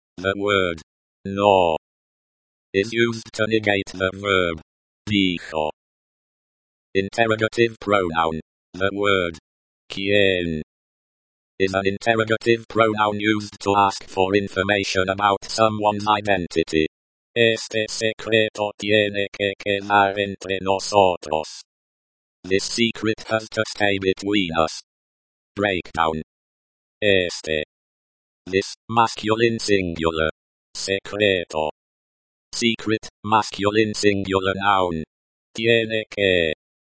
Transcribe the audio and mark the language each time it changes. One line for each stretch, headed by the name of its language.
English: The word no is used to negate the verb dijo. Interrogative pronoun. The word quién is an interrogative pronoun used to ask for information about someone's identity.
Spanish: Este secreto tiene que quedar entre nosotros.
English: This secret has to stay between us. Breakdown. Este. This, masculine singular. Secreto. Secret, masculine singular noun. Tiene que.